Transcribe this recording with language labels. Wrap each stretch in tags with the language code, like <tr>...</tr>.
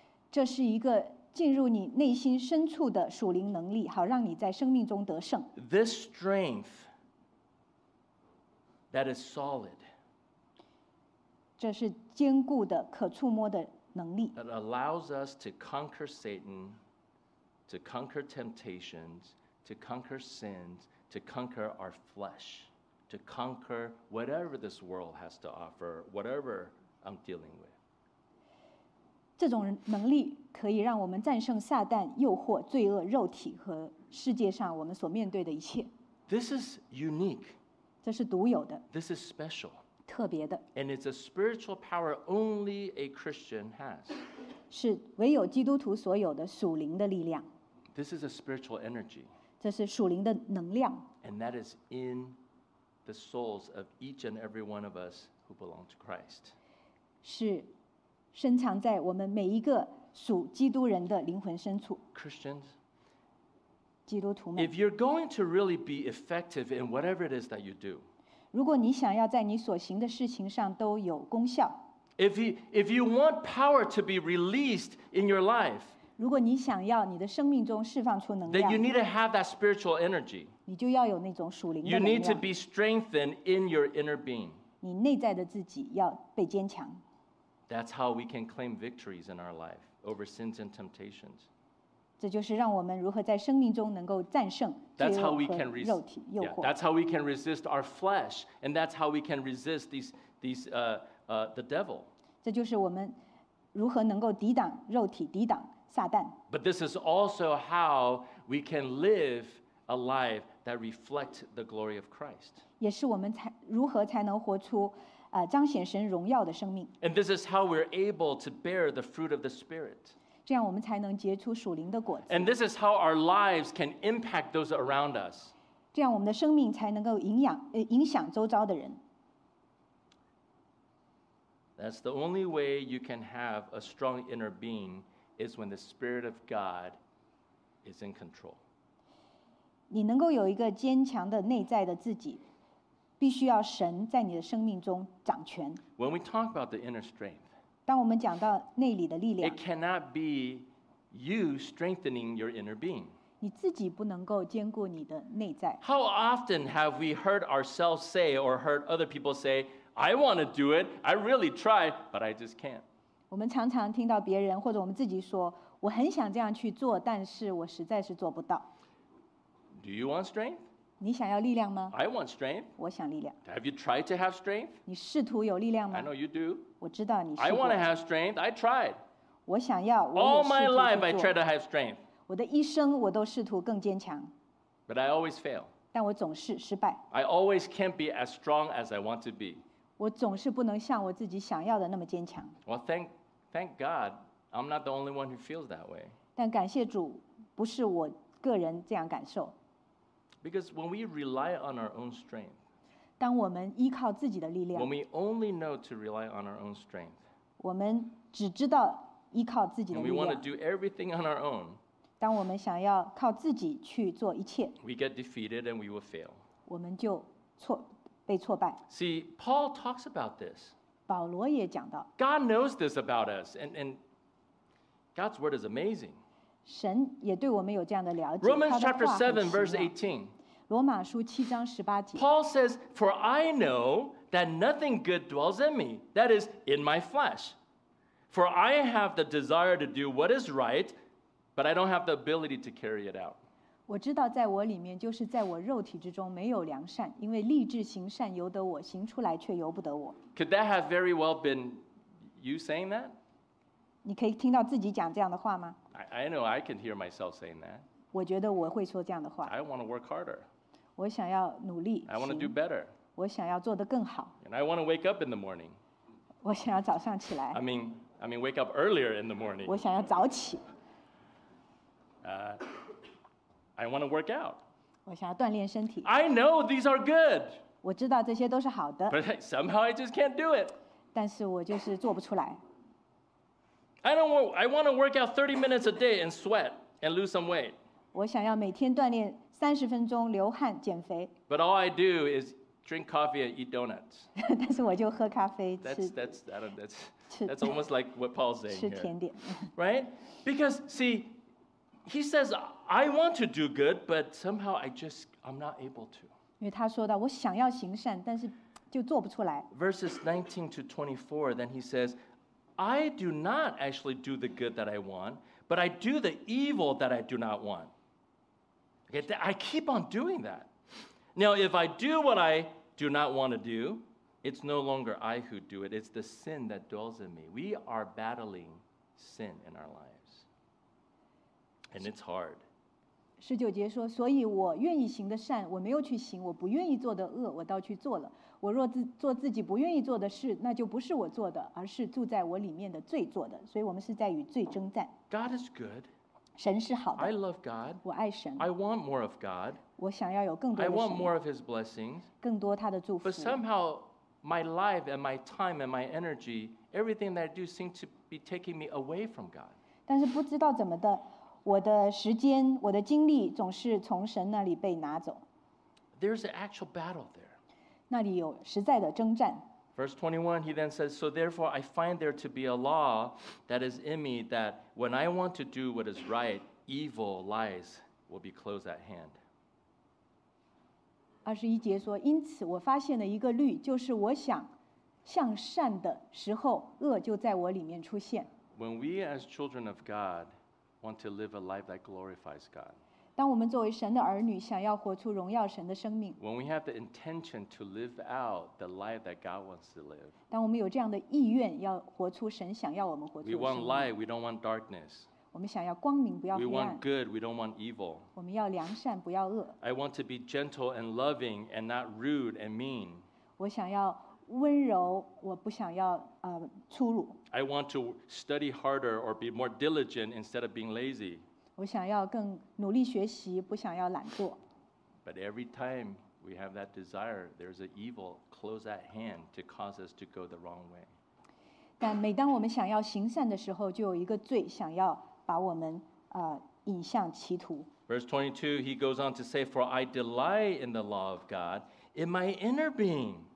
<zh>这是一个进入你内心深处的属灵能力，好让你在生命中得胜。</zh> <en>This strength that is solid.</en> <zh>这是坚固的、可触摸的能力。</zh> <en>That allows us to conquer Satan, to conquer temptations, to conquer sins, to conquer our flesh, to conquer whatever this world has to offer, whatever I'm dealing with.</en> <zh>这种能力可以让我们战胜撒旦、诱惑、罪恶、肉体和世界上我们所面对的一切。</zh> <en>This is unique.</en> <zh>这是独有的。</zh> <en>This is special.</en> <zh>特别的。</zh> <en>And it's a spiritual power only a Christian has.</en> <zh>是唯有基督徒所有的属灵的力量。</zh> <en>This is a spiritual energy.</en> <zh>这是属灵的能量。</zh> <en>And that is in the souls of each and every one of us who belong to Christ.</en> <zh>是。深藏在我们每一个属基督人的灵魂深处。</zh> <en>Christians,</en> <zh>基督徒们，</zh> <en>if you're going to really be effective in whatever it is that you do,</en> <zh>如果你想要在你所行的事情上都有功效，</zh> <en>if you want power to be released in your life，</en> <zh>如果你想要你的生命中释放出能量，</zh> <en>then you need to have that spiritual energy，</en> <zh>你就要有那种属灵的能量。</zh> <en>You need to be strengthened in your inner being，</en> <zh>你内在的自己要被坚强。</zh> <en>That's how we can claim victories in our life over sins and temptations。</en> <zh>这就是让我们如何在生命中能够战胜罪恶和肉体诱惑。</zh> <en>That's how we can resist. Yeah, that's how we can resist our flesh, and that's how we can resist the devil.</en> <zh>这就是我们如何能够抵挡肉体，抵挡撒旦。</zh> <en>But this is also how we can live a life that reflects the glory of Christ.</en> <zh>也是我们如何才能活出彰显神荣耀的生命。</zh> <en>And this is how we're able to bear the fruit of the Spirit.</en> <zh>这样我们才能结出属灵的果子。</zh> <en>And this is how our lives can impact those around us.</en> <zh>这样我们的生命才能够影响周遭的人。</zh> <en>That's the only way you can have a strong inner being is when the Spirit of God is in control.</en> <zh>你能够有一个坚强的内在的自己，必须要神在你的生命中掌权。</zh> <en>When we talk about the inner strength,</en> <zh>当我们讲到内里的力量，</zh> <en>it cannot be you strengthening your inner being.</en> <zh>你自己不能够坚固你的内在。</zh> <en>How often have we heard ourselves say or heard other people say, I want to do it, I really try, but I just can't.</en> <zh>我们常常听到别人或者我们自己说，我很想这样去做，但是我实在是做不到。</zh> <en>Do you want strength?</en> <zh>你想要力量吗？</zh> <en>I want strength.</en> <zh>我想力量。</zh> <en>Have you tried to have strength?</en> <zh>你试图有力量吗？</zh> <en>I know you do.</en> <zh>我知道你试过。</zh> <en>I want to have strength. I tried.</en> <zh>我想要，我也试图去做。</zh> <en>All my life I tried to have strength.</en> <zh>我的一生我都试图更坚强。</zh> <en>But I always fail.</en> <zh>但我总是失败。</zh> <en>I always can't be as strong as I want to be.</en> <zh>我总是不能像我自己想要的那么坚强。</zh> <en>Well, thank God, I'm not the only one who feels that way.</en> <zh>但感谢主，不是我个人这样感受。</zh> <en>Because when we rely on our own strength,</en> <zh>当我们依靠自己的力量，</zh> <en>when we only know to rely on our own strength,</en> <zh>我们只知道依靠自己的力量，</zh> <en>and we want to do everything on our own,</en> <zh>当我们想要靠自己去做一切，</zh> <en>we get defeated and we will fail.</en> <zh>我们就被挫败。</zh> <en>See, Paul talks about this.</en> <zh>保罗也讲到。</zh> <en>God knows this about us, and God's word is amazing.</en> <zh>神也对我们有这样的了解。</zh> <en>Romans chapter 7, verse 18.</en> <zh>罗马书七章十八节。</zh> <en>Paul says, "For I know that nothing good dwells in me, that is, in my flesh. For I have the desire to do what is right, but I don't have the ability to carry it out."</en> <zh>我知道在我里面，就是在我肉体之中没有良善，因为立志行善由得我，行出来却由不得我。</zh> <en>Could that have very well been you saying that?</en> <zh>你可以听到自己讲这样的话吗？</zh> <en>I know I can hear myself saying that.</en> <zh>我觉得我会说这样的话。</zh> <en>I want to work harder.</en> <zh>我想要努力。</zh> <en>I want to do better.</en> <zh>我想要做得更好。</zh> <en>And I want to wake up in the morning.</en> <zh>我想要早上起来。</zh> <en>I mean wake up earlier in the morning.</en> <zh>我想要早起。</zh> <en>I want to work out.</en> <zh>我想要锻炼身体。</zh> <en>I know these are good.</en> <zh>我知道这些都是好的。</zh> <en>But somehow I just can't do it.</en> <zh>但是我就是做不出来。</zh> <en>I want to work out 30 minutes a day and sweat and lose some weight.</en> <zh>我想要每天锻炼三十分钟，流汗减肥。</zh> <en>But all I do is drink coffee and eat donuts.</en> <zh>但是我就喝咖啡吃。</zh> <en>That's almost like what Paul's saying.</en> <zh>吃甜点。</zh> <en>Right? Because see, he says I want to do good, but somehow I'm not able to.</en> <zh>因为他说到我想要行善，但是就做不出来。</zh> <en>Verses 19 to 24, then he says, I do not actually do the good that I want, but I do the evil that I do not want. Okay, I keep on doing that. Now, if I do what I do not want to do, it's no longer I who do it. It's the sin that dwells in me. We are battling sin in our lives. And it's hard.</en> <zh>十九节说，所以我愿意行的善，我没有去行；我不愿意做的恶，我倒去做了。我若做自己不愿意做的事，那就不是我做的，而是住在我里面的罪做的。所以我们是在与罪征战。</zh> <en>God is good.</en> <zh>神是好的。</zh> <en>I love God.</en> <zh>我爱神。</zh> <en>I want more of God.</en> <zh>我想要有更多的神。</zh> <en>I want more of His blessings.</en> <zh>更多他的祝福。</zh> <en>But somehow, my life and my time and my energy, everything that I do seem to be taking me away from God.</en> <zh>但是不知道怎么的，我的时间、我的精力总是从神那里被拿走。</zh> <en>There's an actual battle there.</en> <zh>那里有实在的征战。</zh> <en>Verse 21, he then says, So therefore I find there to be a law that is in me that when I want to do what is right, evil lies will be close at hand.</en> <zh>21节说，因此我发现了一个律，就是我想向善的时候，恶就在我里面出现。</zh> <en>When we as children of God want to live a life that glorifies God,</en> <zh>当我们作为神的儿女，想要活出荣耀神的生命。</zh> <en>When we have the intention to live out the life that God wants to live,</en> <zh>当我们有这样的意愿，要活出神想要我们活出的生命。</zh> <en>We want light, we don't want darkness.</en> <zh>我们想要光明，不要黑暗。</zh> <en>We want good, we don't want evil.</en> <zh>我们要良善，不要恶。</zh> <en>I want to be gentle and loving and not rude and mean.</en> <zh>我想要温柔，我不想要粗鲁。</zh> <en>I want to study harder or be more diligent instead of being lazy.</en> <zh>我想要更努力学习，不想要懒惰。</zh> <en>But every time we have that desire, there's an evil close at hand to cause us to go the wrong way.</en> <zh>但每当我们想要行善的时候，就有一个罪想要把我们引向歧途。</zh> <en>Verse 22, he goes on to say, "For I delight in the law of God in my inner being."</en>